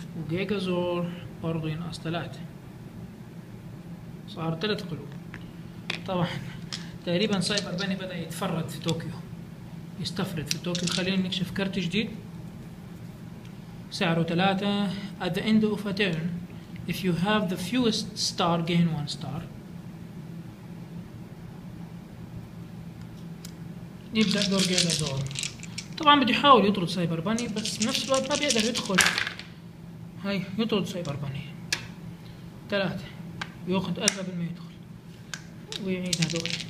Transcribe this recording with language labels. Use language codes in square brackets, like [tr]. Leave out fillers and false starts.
[ar] ديجازور برضو ينقص 3، صار 3 قلوب. طبعا تقريبا سايبر باني بدأ يتفرد في طوكيو، يستفرد في طوكيو. خلينا نكشف كارت جديد سعره 3. [en] At the end of a turn, if you have the fewest star, gain 1 star. [ar] يبدأ دور جيجازور، طبعا بدي يحاول يطرد سايبر باني بس نفس الوقت ما بيقدر يدخل. هاي يطرد سايبر باني 3، يأخذ أذى بالما يدخل ويعيد هدول.